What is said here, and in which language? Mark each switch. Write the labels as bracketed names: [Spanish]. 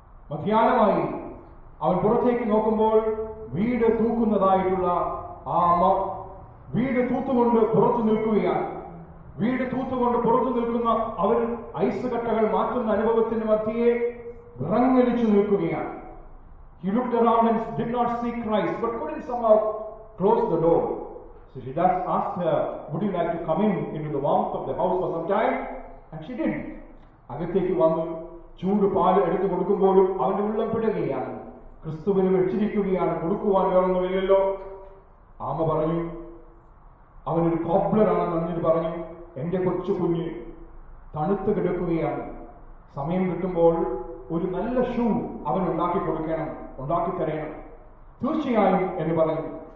[Malayalam] മധ്യാഹ്നമായി അവൻ പുറത്തേക്ക് നോക്കുമ്പോൾ വീട് തൂക്കുന്നതായിട്ടുള്ള ആ അമ്മ വീട് തൂത്തുകൊണ്ട് പുറത്തു നിൽക്കുകയാണ്. വീട് തൂത്തുകൊണ്ട് പുറത്തു നിൽക്കുന്ന അവൻ ഐസ് കട്ടകൾ മാറ്റുന്ന അനുഭവത്തിന് മധ്യയെ വിറങ്ങലിച്ചു നിൽക്കുകയാണ്. [English] He looked around and did not see Christ, but couldn't somehow close the door. So she just asked her, would you like to come in into the warmth of the house for some time? And she did. [Malayalam] അകത്തേക്ക് വന്നു ചൂട് പാല് എടുത്തു കൊടുക്കുമ്പോഴും അവന്റെ ഉള്ളം പിടുകയാണ്. ക്രിസ്തുവിന് വെച്ചിരിക്കുകയാണ്, കൊടുക്കുവാൻ വേറൊന്നുമില്ലല്ലോ. ആമ പറഞ്ഞു, അവനൊരു കോബ്ലറാണെന്ന് അന്നിട്ട് പറഞ്ഞു, എന്റെ കൊച്ചു കുഞ്ഞ് തണുത്ത് കിടക്കുകയാണ്, സമയം കിട്ടുമ്പോൾ ഒരു നല്ല ഷൂ അവൻ ഉണ്ടാക്കി കൊടുക്കണം, ഉണ്ടാക്കി തരയണം, തീർച്ചയായും എന്ന് പറഞ്ഞു.